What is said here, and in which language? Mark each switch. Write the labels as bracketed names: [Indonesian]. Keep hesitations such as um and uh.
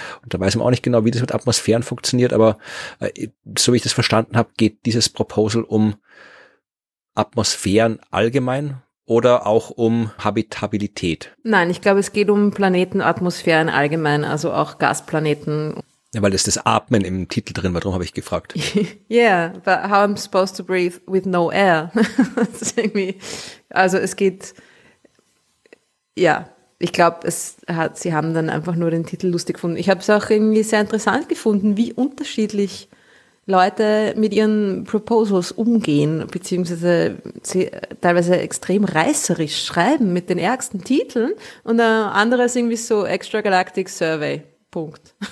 [German] Und da weiß man auch nicht genau, wie das mit Atmosphären funktioniert, aber äh, so wie ich das verstanden habe, geht dieses Proposal um Atmosphären allgemein oder auch um Habitabilität. Nein, ich glaube, es geht um Planetenatmosphären allgemein, also auch Gasplaneten Ja, weil es das Atmen im Titel drin war, darum habe ich gefragt. [English] Yeah, but how I'm supposed to breathe with no air. [German] das ist irgendwie, also es geht, ja, ich glaube, es hat, sie haben dann einfach nur den Titel lustig gefunden. Ich habe es auch irgendwie sehr interessant gefunden, wie unterschiedlich Leute mit ihren Proposals umgehen, beziehungsweise sie teilweise extrem reißerisch schreiben mit den ärgsten Titeln und äh, andere ist irgendwie so Extragalactic Survey. Punkt.